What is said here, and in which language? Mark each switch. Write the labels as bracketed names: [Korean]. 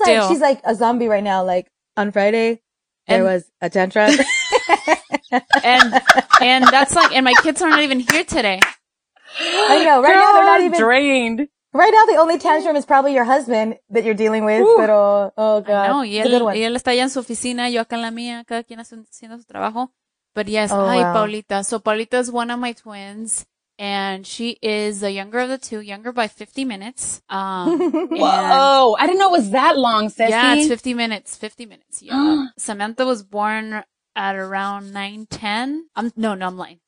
[English] like she's like a zombie right now. Like on Friday, there was a tantrum. and that's like, and my kids are not even here today. I know, right? God, now they're not even drained. Right now, the only tantrum is probably your husband that you're dealing with. Ooh. Pero, oh God. [Spanish] No, y él está allá en su oficina, yo acá en la mía, cada quien haciendo su trabajo. [English] But yes, Paulita. So Paulita is one of my twins, and she is the younger of the two, younger by 50 minutes. Whoa, I didn't know it was that long, Ceci. Yeah, it's 50 minutes, 50 minutes. Yeah. Samantha was born at around 9:10. I'm lying.